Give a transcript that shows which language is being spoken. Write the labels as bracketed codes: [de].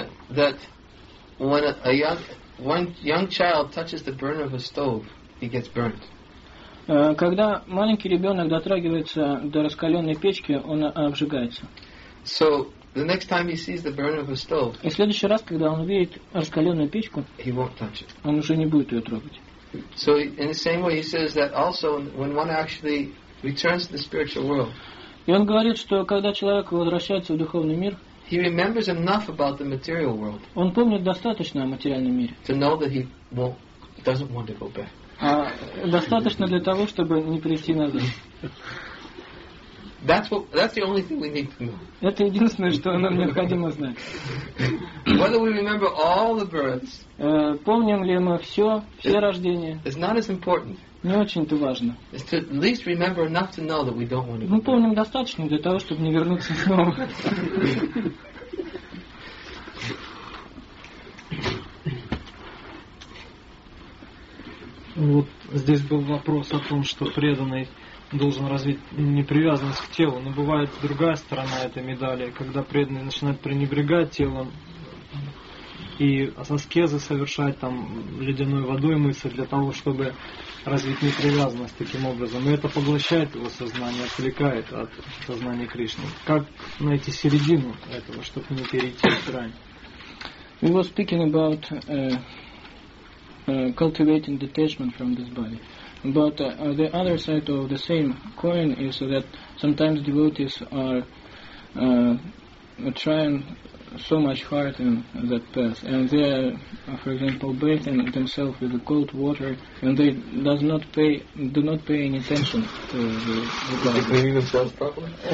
[en] That when a young child touches the burner of a stove, he gets burnt. [ru] Когда маленький ребенок дотрагивается до раскаленной печки, он обжигается. [en] So the next time he sees the burner of a stove, [ru] и в следующий раз, когда он видит раскаленную печку, [en] he won't touch it. [ru] Он уже не будет ее трогать. [en] So in the same way, he says that also when one actually returns to the spiritual world. [ru] И он говорит, что когда человек возвращается в духовный мир, [en] he remembers enough about the material world. [ru] Он помнит достаточно о материальном мире. [en] To know that he doesn't want to go back. [ru] Достаточно для того, чтобы не прийти назад. [en] That's the only thing we need to know. [ru] Это единственное, что нам необходимо знать. [en] Whether we remember all the births. [ru] Помним ли мы все рождения? [en] It's not as important. [ru] Не очень-то важно. [en] It's to at least remember enough to know that we don't want to. [ru] Мы помним достаточно для того, чтобы не вернуться снова. Вот здесь был вопрос о том, что преданный должен развить непривязанность к телу. Но бывает другая сторона этой медали, когда преданный начинает пренебрегать телом и аскезы совершать, там, ледяной водой мыться для того, чтобы развить непривязанность таким образом. И это поглощает его сознание, отвлекает от сознания Кришны. Как найти середину этого, чтобы не перейти в грань? [en] We were speaking about cultivating detachment from this body. But the other side of the same coin is that sometimes devotees are trying so much hard in that path, and they are, for example, bathing themselves with the cold water, and they do not pay any attention to the body.